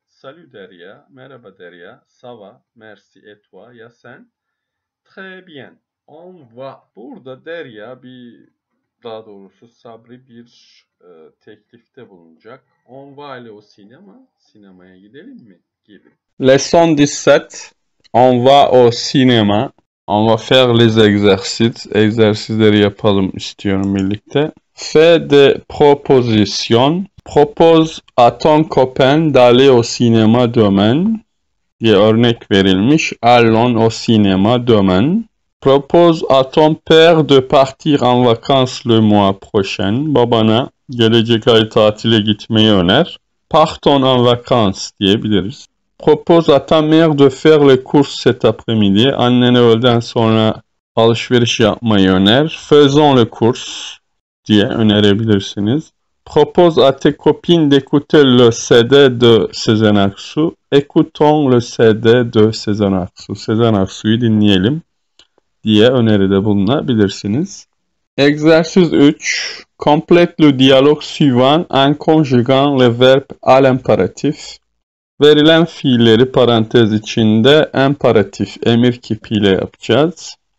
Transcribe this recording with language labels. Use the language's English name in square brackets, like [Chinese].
[French] Salut Derya, [Turkish] merhaba [French] Derya. Ça va, merci, et toi? [Turkish] Ya sen? [French] Très bien. On va. [Turkish] Burada Derya bir, daha doğrusu Sabri bir teklifte bulunacak. [French] On va [Turkish] ile o sinema, sinemaya gidelim mi? Gibi. [French] Leçon 17. On va au cinéma. On va faire les exercices. [Turkish] Egzersizleri yapalım istiyorum birlikte. [French] Fais des propositions. Propose à ton copain d'aller au cinéma demain. [Turkish] Diye örnek verilmiş. [French] Allons au cinéma demain. Propose à ton père de partir en vacances le mois prochain. [Turkish] Babana gelecek ay tatile gitmeyi öner. [French] Partons en vacances [Turkish] diyebiliriz. [French] Propose à ta mère de faire les courses cet après-midi. [Turkish] Annene öğleden sonra alışveriş yapmayı öner. [French] Faisons les courses [Turkish] diye önerebilirsiniz. [French] Propose à tes copines d'écouter le CD de Sezen Aksu. Écoutons le CD de Sezen Aksu. [Turkish] Sezen Aksu'yu dinleyelim diye öneride bulunabilirsiniz. [French] Exercice 3. Complète le dialogue suivant en conjuguant le verbe à l'impératif. [Turkish] Verilen fiilleri parantez içinde imperatif emir kipiyle yapacağız.